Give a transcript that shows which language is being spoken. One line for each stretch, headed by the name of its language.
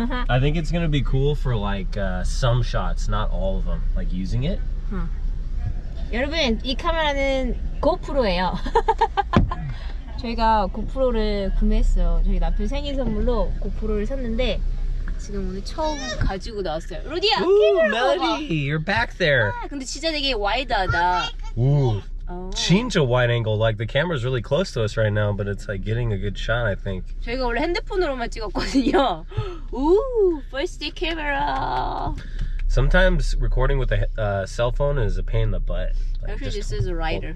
English: I think it's gonna be cool for like some shots, not all of them. Like using it.
Korean: 여러분, 이 카메라는 고프로예요. 저희가 고프로를 구매했어요. 저희 남편 생일 선물로 고프로를 샀는데 지금 오늘 처음 가지고 나왔어요. 루디야,
English: 멜리, you're back there.
Korean: 아, 근데 진짜 되게 와이드하다. Ooh. Oh. 진짜
English: wide angle. Like the camera's really close to us right now, but it's like getting a good shot, I think.
Korean: 저희가 원래 핸드폰으로만 찍었거든요.
English: Ooh, first day camera. Sometimes recording with a cell phone is a pain in the butt. Like, actually, this is a rider.